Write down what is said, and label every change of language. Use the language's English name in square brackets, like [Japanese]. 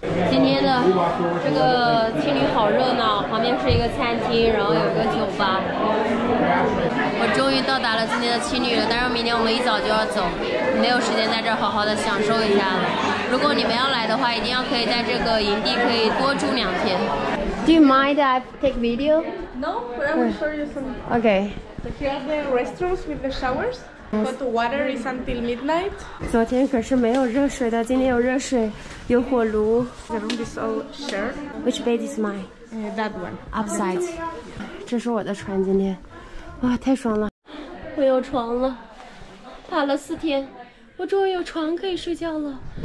[Chinese] 今天的这个青旅好热闹，旁边是一个餐厅，然后有个酒吧。我终于到达了今天的青旅了，但是明天我们一早就要走，没有时间在这儿好好的享受一下了。如果你们要来的话，一定要可以在这个营地可以多住2天。 [English] Do you mind that I take video? No, but I will show you some. Okay. So here are the restrooms with the showers. But water is until midnight. [Chinese] 昨天可是没有热水的，今天有热水，有火炉。 [English] The room is all shared. Which bed is mine? That one. Upside. [Chinese] 这是我的床，今天，哇，太爽了！我有床了，爬了4天，我终于有床可以睡觉了。